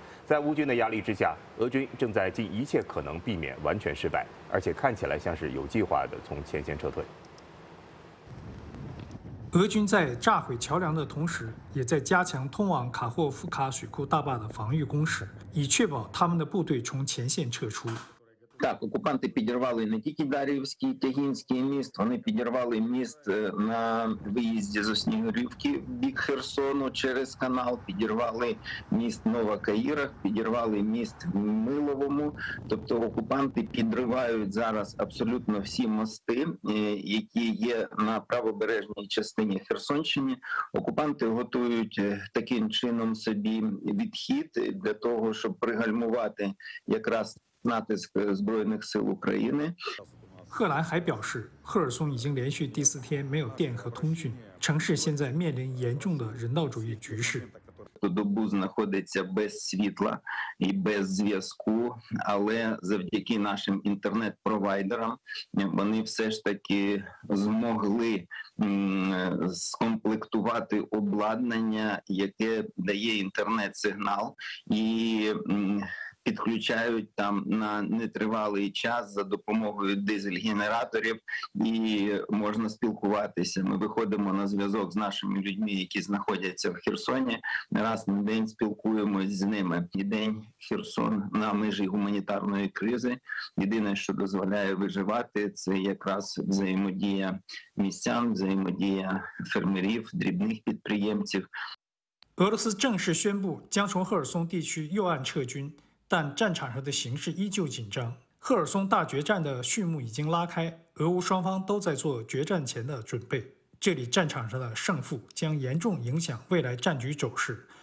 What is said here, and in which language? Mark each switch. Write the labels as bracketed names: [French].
[Chinese] 在乌军的压力之下，俄军正在尽一切可能避免完全失败，而且看起来像是有计划的从前线撤退。俄军在炸毁桥梁的同时，也在加强通往卡霍夫卡水库大坝的防御工事，以确保他们的部队从前线撤出。 [Ukrainian] Так, окупанти підірвали не тільки Дарівський, Тягінський міст, вони підірвали міст на виїзді з Снігурівки в бік Херсону через канал, підірвали міст Нова Каїра, підірвали міст в Миловому. Тобто окупанти підривають зараз абсолютно всі мости, які є на правобережній частині Херсонщини. Окупанти готують таким чином собі відхід для того, щоб пригальмувати якраз натиск збройних сил України. [Chinese] 赫兰还表示，赫尔松已经连续第四天没有电和通讯，城市现在面临严重的人道主义局势。 [Ukrainian] Добу знаходиться без світла і без зв'язку, але завдяки нашим інтернет-провайдерам вони все ж таки змогли скомплектувати обладнання, яке дає інтернет-сигнал і підключають там на нетривалий час за допомогою дизель-генераторів і можна спілкуватися. Ми виходимо на зв'язок з нашими людьми, які знаходяться в Херсоні. Раз на день спілкуємось з ними. І день Херсон на межі гуманітарної кризи. Єдине, що дозволяє виживати, це якраз взаємодія містян, взаємодія фермерів, дрібних підприємців. [Chinese] 俄罗斯正式宣布将从赫尔松地区右岸撤军，但战场上的形势依旧紧张，赫尔松大决战的序幕已经拉开，俄乌双方都在做决战前的准备。这里战场上的胜负将严重影响未来战局走势。